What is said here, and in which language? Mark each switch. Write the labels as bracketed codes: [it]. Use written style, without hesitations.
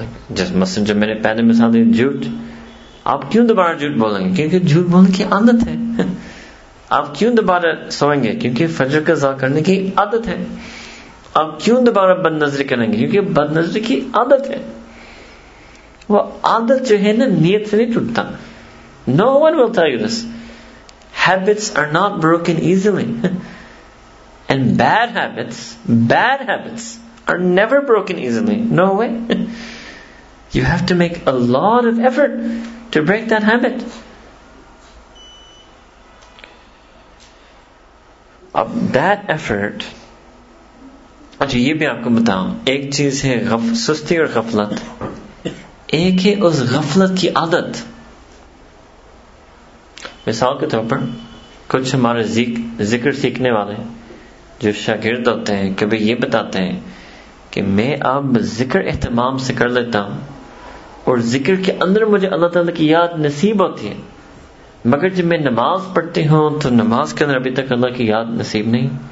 [ur] جس مثلا جو میں نے پہلے مثال دی جھوٹ, آپ کیوں دوبارہ جھوٹ بولیں گے؟ کیونکہ جھوٹ بولنے کی عادت ہے. آپ کیوں دوبارہ سوئیں گے؟ کیونکہ فجر کا ضائع کرنے کی عادت ہے. آپ کیوں دوبارہ بد نظری کریں گے؟ کیونکہ بد نظری کی عادت ہے. وہ عادت جو ہے نا نیت سے نہیں ٹوٹتا. [en] No one will tell you this. Habits are not broken easily. And bad habits are never broken easily. No way. You have to make a lot of effort to break that habit. Of that effort, [ur] اچھا یہ بھی آپ کو بتاؤں, ایک چیز ہے سستی اور غفلت, ایک ہے اس غفلت کی عادت. مثال کے طور پر کچھ ہمارے ذکر سیکھنے والے جو شاگرد ہوتے ہیں کبھی یہ بتاتے ہیں کہ میں اب ذکر اہتمام سے کر لیتا ہوں اور ذکر کے اندر مجھے اللہ تعالیٰ کی یاد نصیب ہوتی ہے, مگر جب میں نماز پڑھتی ہوں تو نماز کے اندر ابھی تک اللہ کی یاد نصیب نہیں.